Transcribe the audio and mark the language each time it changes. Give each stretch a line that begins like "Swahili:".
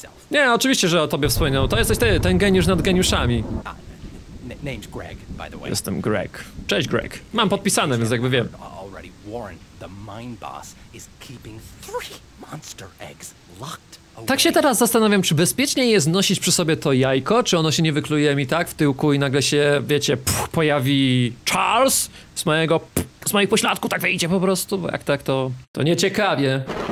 Polish: Nie, oczywiście, że o tobie wspomnę. To jesteś ty, ten geniusz nad geniuszami.
English: Name's Greg, by the way.
Polish: Jestem Greg. Cześć, Greg. Mam podpisane, więc jakby wiem.
English: Warren, the mind boss, is keeping three monster eggs locked.
Polish: Tak się teraz zastanawiam, czy bezpiecznie jest nosić przy sobie to jajko, czy ono się nie wykluje mi tak w tyłku i nagle się, wiecie, pojawi Charles z mojego, z moich pośladków, tak wyjdzie po prostu, bo jak tak, to nieciekawie.